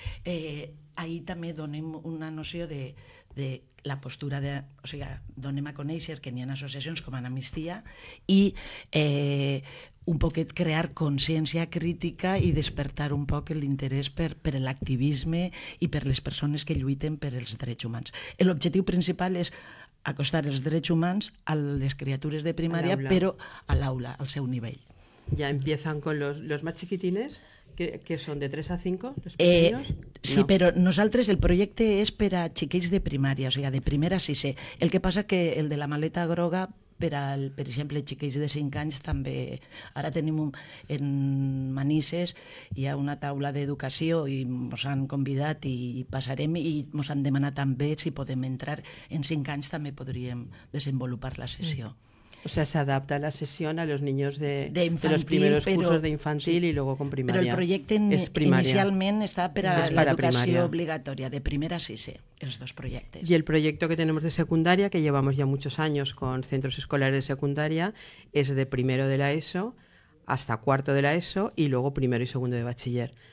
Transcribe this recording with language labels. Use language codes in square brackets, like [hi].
[ca] Ahir també donem una noció de la postura, donem a conèixer que n'hi ha associacions com en Amnistia i un poquet crear consciència crítica i despertar un poc l'interès per l'activisme i per les persones que lluiten per els drets humans. L'objectiu principal és acostar els drets humans a les criatures de primària, però a l'aula, al seu nivell. [es] Ja empiezan con los más chiquitines, que son de 3 a 5, los pequeños. [ca] Sí, però nosaltres el projecte és per a xiquets de primària, o sigui, de primera sí, sí. El que passa que el de la maleta groga, per exemple, xiquets de 5 anys també, ara tenim en Manises, hi ha una taula d'educació i ens han convidat i passarem i ens han demanat també si podem entrar. En 5 anys també podríem desenvolupar la sessió. [es] O sea, se adapta la sesión a los niños de los primeros cursos de infantil, sí, y luego con primaria. Pero el proyecto inicialmente está para la educación obligatoria, de primera sí, sí, los dos proyectos. Y el proyecto que tenemos de secundaria, que llevamos ya muchos años con centros escolares de secundaria, es de primero de la ESO hasta cuarto de la ESO y luego primero y segundo de bachiller.